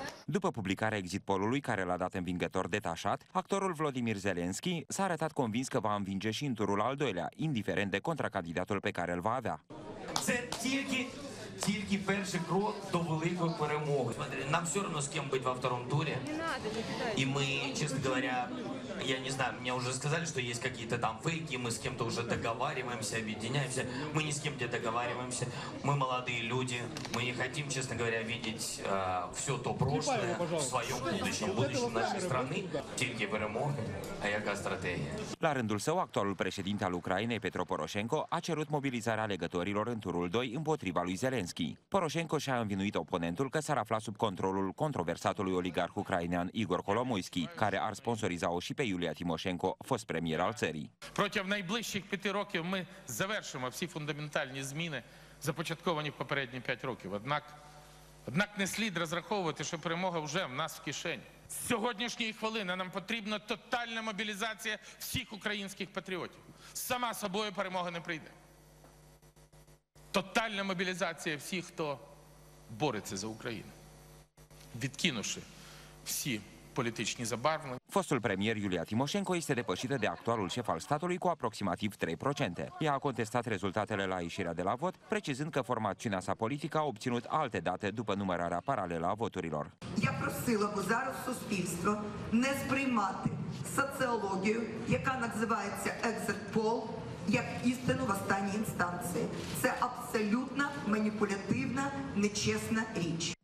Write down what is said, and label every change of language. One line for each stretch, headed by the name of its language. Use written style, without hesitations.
Romanian: După publicarea exit poll-ului care l-a dat învingător detașat, actorul Volodymyr Zelensky s-a arătat convins că va învinge și în turul al doilea, indiferent de contracandidatul pe care îl va avea.
Ukrainian: тільки перший крок до великої перемоги.
Russian: Смотри, нам все равно,
Ukrainian: з ким бути в другому турі. І ми, чесно говоря, я не знаю, мені вже сказали, що є якісь там фейки, ми з ким-то вже договорюємося, об'єднуємося. Ми ні з ким не договорюємося. Ми молоді люди, ми не хочемо, чесно говоря, бачити все то прошле в своєму будущому, будущому нашої країни. Тільки перемоги, а яка стратегія?
Romanian: La rândul său, actualul președinte al Ucrainei, Petro Poroșenko, a cerut mobilizarea alegătorilor în turul 2 împotriva lui Zelenski. Poroșenko și-a învinuit oponentul că s-ar afla sub controlul controversatului oligarh ucrainean Igor Kolomoisky, care ar sponsoriza-o și pe Iulia Timoșenko, fost premier al țării.
Ukrainian: Протягом найближчих 5 років ми завершимо всі фундаментальні зміни, започатковані в попередні 5 років. Однак не слід розраховувати, що перемога вже в нас в кишені. З сьогоднішньої хвилини нам потрібна тотальна мобілізація всіх українських патріотів. Сама собою перемога не прийде. Тотальна мобілізація всіх, хто бореться за Україну, відкинувши всі politicii zabarvă.
Romanian: Fostul premier Iulia Timoșenko este depășită de actualul șef al statului cu aproximativ 3%. Ea a contestat rezultatele la ieșirea de la vot, precizând că formațiunea sa politică a obținut alte date după numărarea paralelă a voturilor.
Ukrainian: Я просила би зараз суспільство не сприймати соціологію, яка називається exit poll, як істину в останній інстанції. Це абсолютно маніпулятивна, нечесна річ.